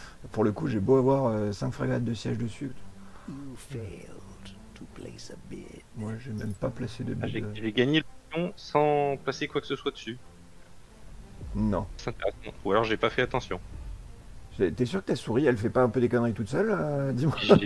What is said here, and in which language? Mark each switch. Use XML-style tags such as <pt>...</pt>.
<fr>Pour le coup, j'ai beau avoir 5 frégates de siège dessus.</fr> <en>You failed to place a bid.</en> <fr>Moi, j'ai même pas placé de Ah,</fr> <en>bid.</en> <fr>j'ai gagné le pion sans placer quoi que ce soit dessus. Non. Ça intéresse. Ou alors j'ai pas fait attention. T'es sûr que ta souris, elle fait pas un peu des conneries toute seule, dis-moi.</fr>